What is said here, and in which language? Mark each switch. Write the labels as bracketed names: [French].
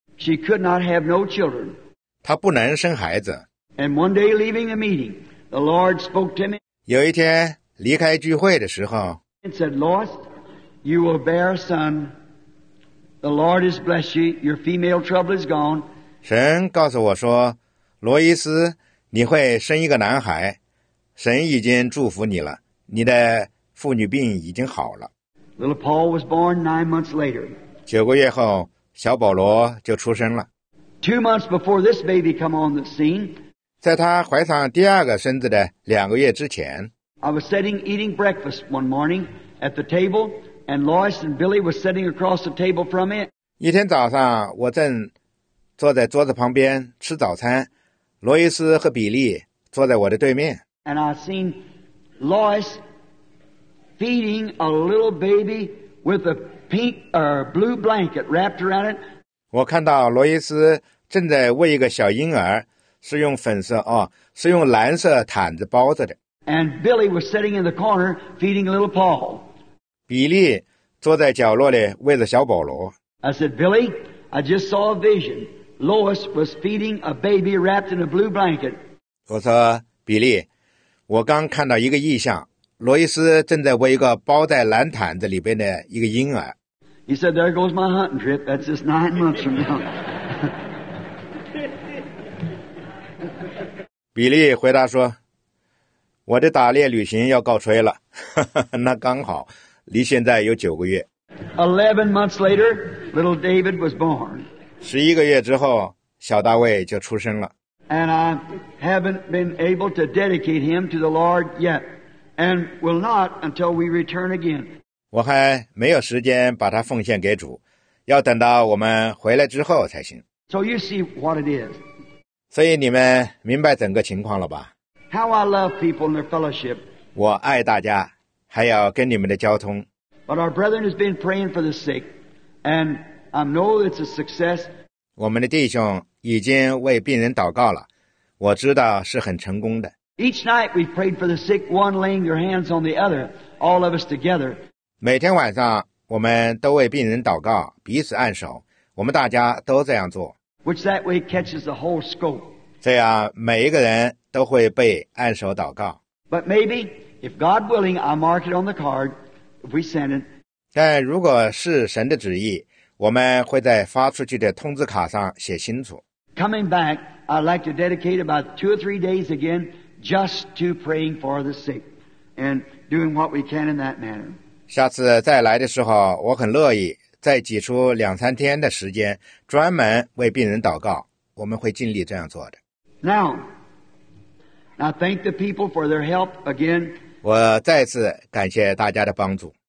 [English] She could not have no children. [Chinese] 她不能生孩子。 [English] And one day leaving the meeting, the Lord spoke to me. [Chinese] 有一天离开聚会的时候 [English] ，and said, "Lois, you will bear a son. The Lord has blessed you. Your female trouble is gone." [Chinese] 神告诉我说，罗伊斯，你会生一个男孩。神已经祝福你了，你的妇女病已经好了。 [English] Little Paul was born 9 months later. [Chinese] 九个月后，小保罗就出生了。 [English] 2 months before this baby came on the scene. [Chinese] 在他怀上第二个孙子的两个月之前 [English] ，I was sitting eating breakfast one morning at the table, and Lois and Billy were sitting across the table from it. [Chinese] 一天早上，我正坐在桌子旁边吃早餐，罗伊斯和比利坐在我的对面。 [English] And I seen Lois feeding a little baby with a pink or blue blanket wrapped around it. [Chinese] 我看到罗伊斯正在喂一个小婴儿，是用粉色哦，是用蓝色毯子包着的。 [English] And Billy was sitting in the corner feeding little Paul. [Chinese] 比利坐在角落里喂着小保罗。 [English] I said, Billy, I just saw a vision. Lois was feeding a baby wrapped in a blue blanket. [Chinese] 我说，比利。我刚看到一个意象，罗伊斯正在喂一个包在蓝毯子里边的一个婴儿。 [English] He said, "There goes my hunting trip. That's just 9 months from now." [Chinese] 比利回答说：“我的打猎旅行要告吹了，那刚好离现在有九个月。 [English] 11 months later, little David was born. [Chinese] 11个月之后，小大卫就出生了。 [English] And I haven't been able to dedicate him to the Lord yet, and will not until we return again. [Chinese] 我还没有时间把它奉献给主，要等到我们回来之后才行。 [English] So you see what it is. [Chinese] 所以你们明白整个情况了吧 [English] ？How I love people and their fellowship. [Chinese] 我爱大家，还要跟你们的交通。 [English] But our brethren has been praying for the sick, and I know it's a success. [Chinese] 我们的弟兄。已经为病人祷告了，我知道是很成功的。 [English] Each night we prayed for the sick, one laying their hands on the other, all of us together. [Chinese] 每天晚上我们都为病人祷告，彼此按手，我们大家都这样做。 [English] Which that way catches the whole scope. [Chinese] 这样每一个人都会被按手祷告。 [English] But maybe, if God willing, I mark it on the card if we send it. [Chinese] 但如果是神的旨意。我们会在发出去的通知卡上写清楚。 [English] Coming back, I'd like to dedicate about 2 or 3 days again just to praying for the sick and doing what we can in that manner. [Chinese] 下次再来的时候，我很乐意再挤出两三天的时间专门为病人祷告，我们会尽力这样做的。 [English] Now I thank the people for their help again. [Chinese] 我再次感谢大家的帮助。